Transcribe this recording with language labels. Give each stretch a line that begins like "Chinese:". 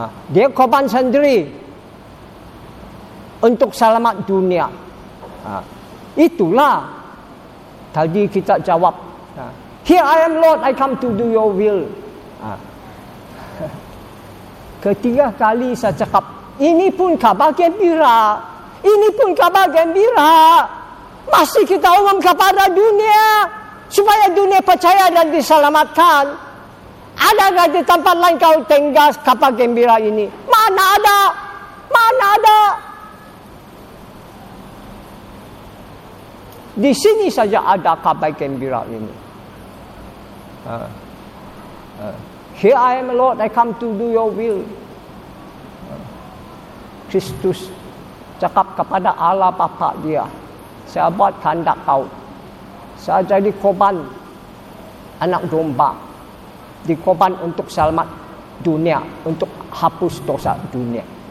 Malay: Dia korban sendiri untuk selamat dunia. Itulah tadi kita jawab.
English: Here I am, Lord, I come to do your will.
Malay: Ketiga kali saya cakap, ini pun kabar gembira. Ini pun kabar gembira. Masih kita umum kepada dunia supaya dunia percaya dan diselamatkan. Adakah di tempat lain kau tenggas kapal gembira ini? Mana ada? Mana ada? Di sini saja ada kapal gembira ini.
English: Here I am, Lord, I come to do your will.
Malay: Kristus cakap kepada Allah Bapa dia, saya buat kehendak kau. Saya jadi korban anak domba. Dikorban untuk selamat dunia, untuk hapus dosa dunia.